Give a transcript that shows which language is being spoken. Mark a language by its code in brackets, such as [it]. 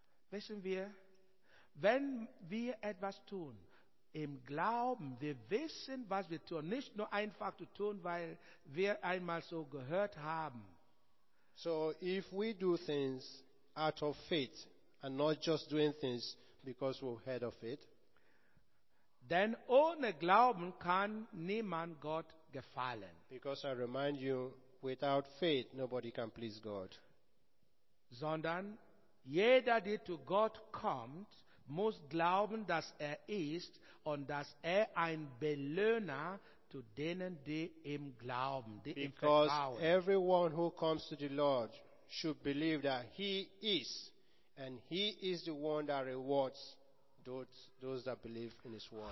[de] Wissen wir, wenn wir etwas tun, im Glauben, wir wissen, was wir tun. Nicht nur einfach zu tun, weil wir einmal so gehört haben. [en] So if we do things out of faith and not just doing things because we've heard of it, then [de] ohne Glauben kann niemand Gott gefallen. [en] Because I remind you, without faith nobody can please God. [de] Sondern jeder, der zu Gott kommt, muss glauben, dass ist und dass ein Belohner zu denen, die ihm glauben, die ihm vertrauen. [en] Because everyone who comes to the Lord should believe that he is, and he is the one that rewards those that believe in his word.